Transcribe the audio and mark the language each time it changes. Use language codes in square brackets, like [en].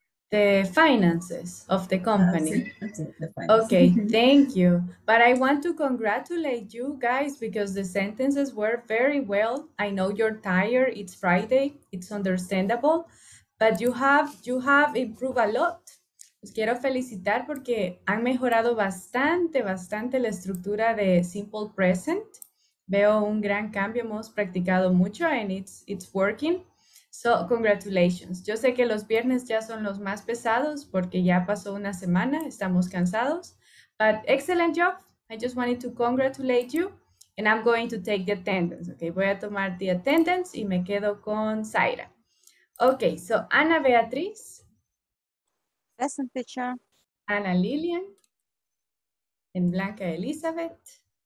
[en] The finances of the company. Okay, thank you. But I want to congratulate you guys because the sentences were very well. I know you're tired, it's Friday, it's understandable, but you have improved a lot. [es] Los quiero felicitar porque han mejorado bastante, bastante la estructura de simple present. Veo un gran cambio, hemos practicado mucho [en] and it's working. So, congratulations. [es] Yo sé que los viernes ya son los más pesados porque ya pasó una semana, estamos cansados. [en] But excellent job. I just wanted to congratulate you and I'm going to take the attendance. [es] Okay, voy a tomar [en] the attendance [es] y me quedo con Zaira. [en] Okay, so Ana Beatriz. Present teacher. Ana Lilian. And Blanca Elizabeth.